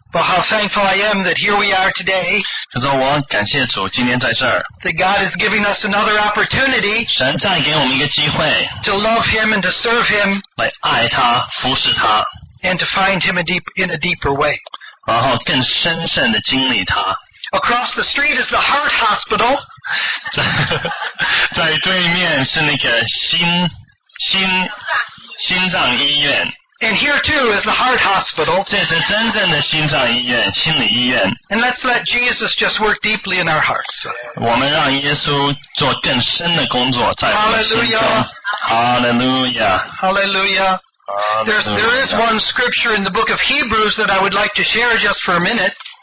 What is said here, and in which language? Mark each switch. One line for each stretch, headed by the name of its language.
English: But how thankful I am that here we are today.
Chinese: 可是我感谢主，今天在这儿。
English: That God is giving us another opportunity.
Chinese: 神再给我们一个机会。
English: To love Him and to serve Him.
Chinese: 来爱他，服侍他。
English: And to find Him in a deeper way.
Chinese: 然后更深深的经历他。
English: Across the street is the Heart Hospital.
Chinese: 在对面是那个心脏医院。
English: And here too is the heart hospital.
Chinese: 这是真正的心脏医院，心理医院。
English: And let's let Jesus just work deeply in our hearts.
Chinese: 我们让耶稣做更深的工作在我们心中。
English: Hallelujah. Hallelujah. Hallelujah. There is one scripture in the book of Hebrews that I would like to share just for a minute.